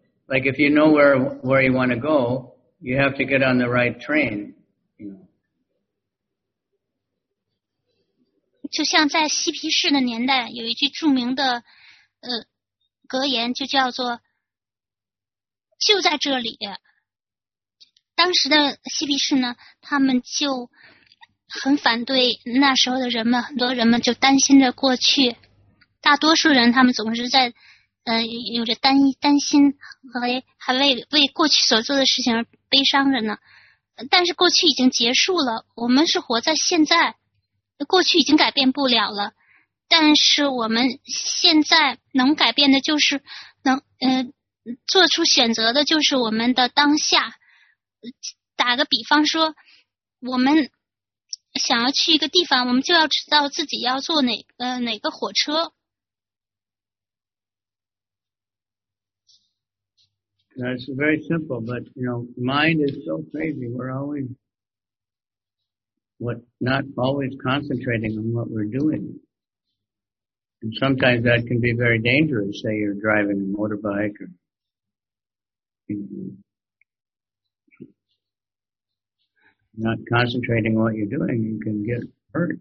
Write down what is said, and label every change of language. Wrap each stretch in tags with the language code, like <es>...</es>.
<en>If you know where you want to go, you have to get on the right train. You know.</en> <zh>就像在嬉皮士的年代，有一句著名的格言，就叫做“就在这里”。当时的嬉皮士呢，他们就。很反对那时候的人们，很多人们就担心着过去。大多数人他们总是在，有着担心和还为过去所做的事情而悲伤着呢。但是过去已经结束了，我们是活在现在，过去已经改变不了了。但是我们现在能改变的就是做出选择的就是我们的当下。打个比方说，我们。想要去一个地方，我们就要知道自己要坐哪个火车。</zh> <en>That's very simple, but you know, mind is so crazy. We're always not always concentrating on what we're doing, and sometimes that can be very dangerous. Say you're driving a motorbike, or not concentrating on what you're doing, you can get hurt.</en>